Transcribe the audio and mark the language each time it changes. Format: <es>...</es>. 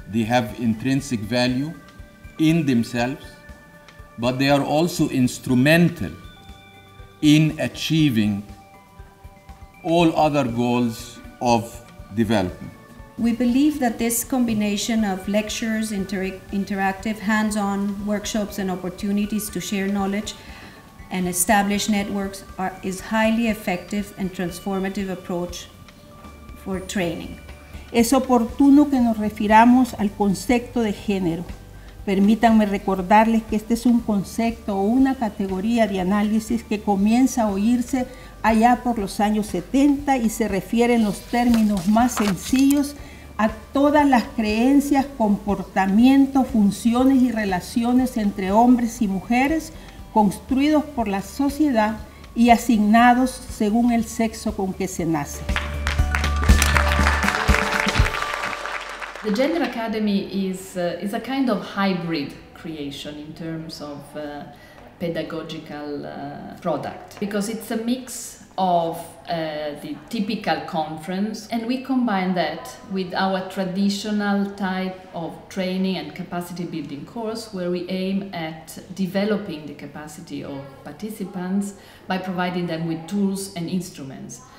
<en>They have intrinsic value in themselves, but they are also instrumental in achieving all other goals of development. We believe that this combination of lectures, interactive hands-on workshops and opportunities to share knowledge and establish networks is highly effective and transformative approach for training.</en> <es>Es oportuno que nos refiramos al concepto de género. Permítanme recordarles que este es un concepto o una categoría de análisis que comienza a oírse allá por los años 70 y se refiere en los términos más sencillos a todas las creencias, comportamientos, funciones y relaciones entre hombres y mujeres construidos por la sociedad y asignados según el sexo con que se nace.</es> <en>The Gender Academy is a kind of hybrid creation in terms of pedagogical product, because it's a mix of the typical conference, and we combine that with our traditional type of training and capacity building course, where we aim at developing the capacity of participants by providing them with tools and instruments.</en>